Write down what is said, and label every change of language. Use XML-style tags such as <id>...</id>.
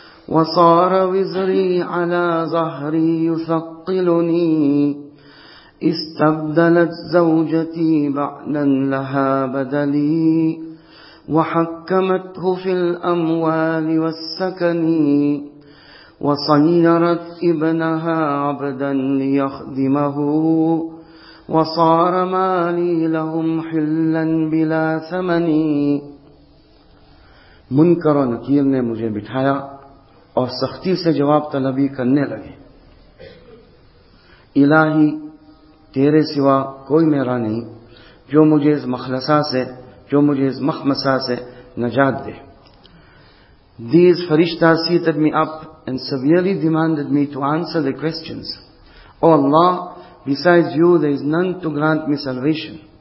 <ar>وصار وزري على ظهري يثقلني استبدلت زوجتي بعدا لها بدلي وحكمته في الأموال والسكن وصيرت ابنها عبدا ليخدمه وصار مالي لهم حلا بلا ثمن</ar> <ur>منكر ونكير نے مجھے بٹھایا اور سختی سے جواب طلبی کرنے لگے. الہی تیرے سوا کوئی میرا نہیں جو مجھے اس مخلصہ سے جو مجھے اس مخمصہ سے نجات دے.</ur> <en>These فرشتہ seated me up and severely demanded me to answer the questions. O Allah beside you there is none to grant me salvation.</en>